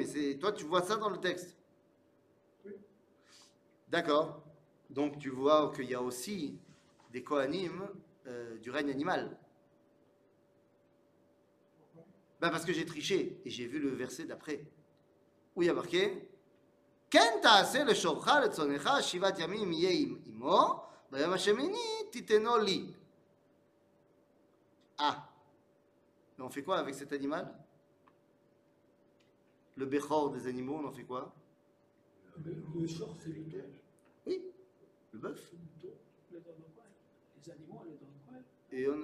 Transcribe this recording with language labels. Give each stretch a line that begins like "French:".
French: Et c'est toi, tu vois ça dans le texte. Oui. D'accord. Donc tu vois qu'il y a aussi des Kohanim du règne animal. Pourquoi ? Ben parce que j'ai triché et j'ai vu le verset d'après où il y a marqué.
Hebrew: כן תעשה לשורך לצונך שבעת ימים יהיה עם אמו ביום השמיני תיתנו לי.
French: אה, on fait quoi avec cet animal? Le bechor des animaux, on en fait quoi? Le chor, c'est le bœuf. Oui, le bœuf. Les animaux, les animaux.